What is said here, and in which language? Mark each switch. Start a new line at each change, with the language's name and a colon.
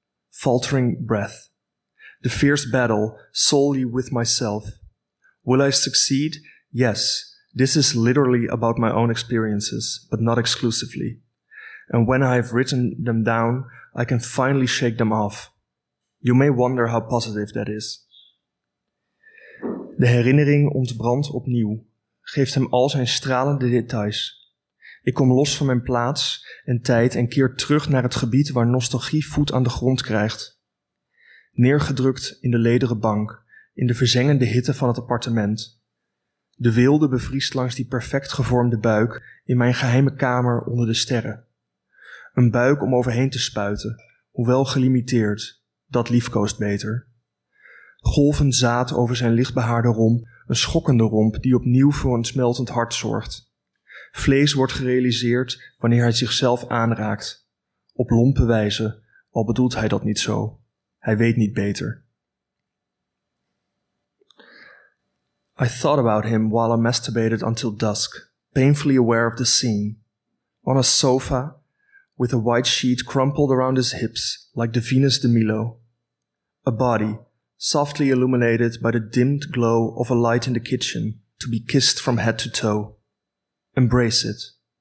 English: Faltering breath. The fierce battle, solely with myself. Will I succeed? Yes. This is literally about my own experiences, but not exclusively. And when I have written them down, I can finally shake them off. You may wonder how positive that is.
Dutch: De herinnering ontbrandt opnieuw, geeft hem al zijn stralende details. Ik kom los van mijn plaats en tijd en keer terug naar het gebied waar nostalgie voet aan de grond krijgt. Neergedrukt in de lederen bank, in de verzengende hitte van het appartement. De wilde bevriest langs die perfect gevormde buik in mijn geheime kamer onder de sterren. Een buik om overheen te spuiten, hoewel gelimiteerd, dat liefkoost beter. Golvend zaad over zijn lichtbehaarde romp, een schokkende romp die opnieuw voor een smeltend hart zorgt. Vlees wordt gerealiseerd wanneer hij zichzelf aanraakt. Op lompe wijze, al bedoelt hij dat niet zo. Hij weet niet beter.
English: I thought about him while I masturbated until dusk, painfully aware of the scene. On a sofa, with a white sheet crumpled around his hips like the Venus de Milo. A body, softly illuminated by the dimmed glow of a light in the kitchen, to be kissed from head to toe. Embrace it.